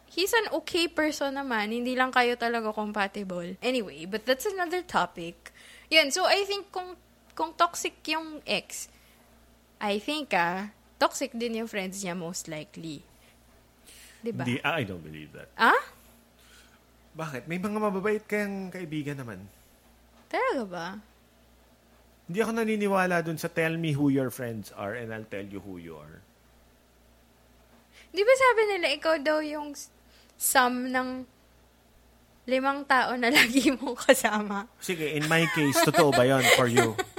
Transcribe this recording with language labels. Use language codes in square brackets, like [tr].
[en] he's an okay person naman. [tl] Hindi lang kayo talaga [en] compatible. Anyway, but that's another topic. [tl] Yun, [en] so I think kung toxic yung ex, I think, [tl] toxic din yung friends niya [en] most likely. [tl] Diba? Di, [en] I don't believe that. Ah? [tl] Bakit? May mga mababait kayang kaibigan naman. Talaga ba? Hindi ako naniniwala dun sa [en] tell me who your friends are and I'll tell you who you are. [tl] Di ba sabi nila, ikaw daw yung sum ng limang tao na lagi mong kasama? Sige, [en] in my case, [tl] totoo ba yun [en] for you?